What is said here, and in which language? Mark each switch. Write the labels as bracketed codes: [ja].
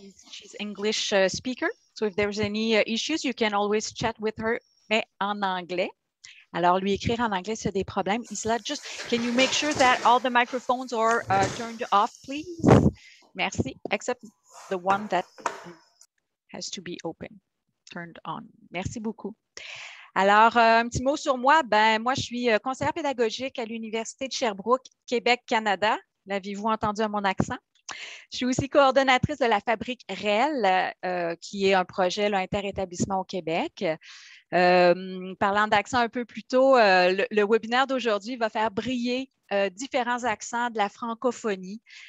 [en] She's English speaker. So if there's any issues, you can always chat with her, [fr] mais en anglais. Alors, lui écrire en anglais, c'est des problèmes. [en] Isla, just can you make sure that all the microphones are turned off, please? [fr] Merci. [en] Except the one that has to be open, turned on. [fr] Merci beaucoup. Alors, un petit mot sur moi. Ben, moi, je suis conseillère pédagogique à l'Université de Sherbrooke, Québec, Canada. L'avez-vous entendu à mon accent? Je suis aussi coordonnatrice de la Fabrique REL, qui est un projet interétablissement au Québec. Parlant d'accent un peu plus tôt, le webinaire d'aujourd'hui va faire briller différents accents de la francophonie.